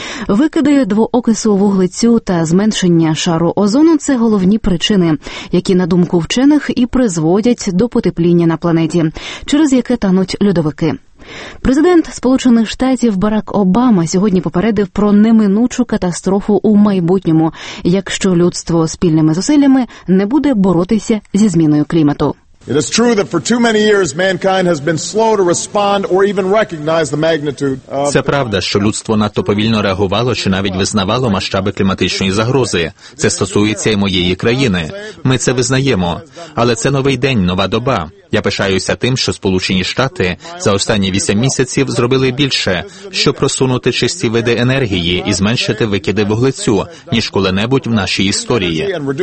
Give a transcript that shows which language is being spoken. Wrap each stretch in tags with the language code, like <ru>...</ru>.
<uk>Викиди двоокису вуглецю та зменшення шару озону – це головні причини, які, на думку вчених, і призводять до потепління на планеті, через яке тануть льодовики. Президент Сполучених Штатів Барак Обама сьогодні попередив про неминучу катастрофу у майбутньому, якщо людство спільними зусиллями не буде боротися зі зміною клімату.</uk> <en>It is true that for too many years mankind has been slow to respond or even recognize the magnitude.</en> <uk>Це правда, що людство надто повільно реагувало чи навіть визнавало масштаби кліматичної загрози. Це стосується й моєї країни. Ми це визнаємо. Але це новий день, нова доба. Я пишаюся тим, що Сполучені Штати за останні 8 місяців зробили більше, щоб просунути чисті види енергії і зменшити викиди вуглецю, ніж коли-небудь в нашій історії.</uk>